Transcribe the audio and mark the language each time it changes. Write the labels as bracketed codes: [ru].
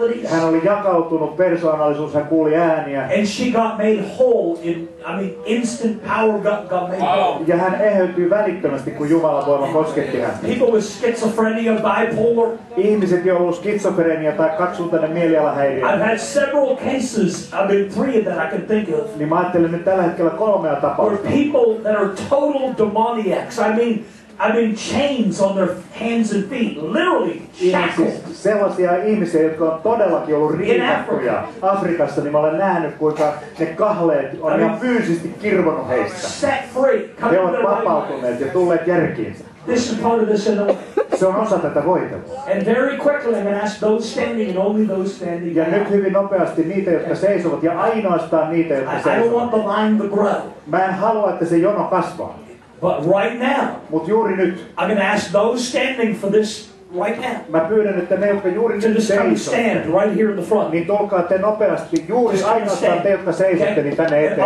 [fi] Hän oli jakautunut persoonallisuus, hän kuuli ääniä. [en] And she got made whole in, I mean, instant power got made whole. [fi] Ja hän eheytyi välittömästi, kun Jumalan voima kosketti häntä. [en] People with schizophrenia, bipolar. [fi] Ihmiset, joilla on skitsofrenia tai kaksisuuntainen mielialahäiriö. [en] I've had several cases, I mean three that I can think of. [fi] Niin mä ajattelen nyt tällä hetkellä kolmea tapausta. [en] Are total demoniacs. I mean chains on their hands and feet, literally shackles. [fi] Sellaisia ihmisiä, jotka on todellakin ollut riitattuja Afrikassa, niin mä olen nähnyt, kuinka ne kahleet on ihan fyysisesti kirvonut heistä. [en] Set free. [fi] He ovat vapautuneet ja tulleet järkiinsä. [en] This is part of this. [fi] Se on osa tätä hoitelua. [en] And very quickly, I'm going to ask those standing and only those standing. [fi] Ja nyt hyvin nopeasti niitä, jotka seisovat, ja ainoastaan niitä, jotka seisovat. [en] I don't want the line to grow. [fi] Mä en halua, että se jono kasvaa. [en] But right now. [fi] Mut juuri nyt. [en] I'm going to ask those standing for this right now. [fi] Mä pyydän, että ne, jotka juuri nyt seisovat. [en] To just stand right here in the front. [fi] Niin tulkaa te nopeasti, juuri ainoastaan te, jotka seisotte, niin tänne eteen.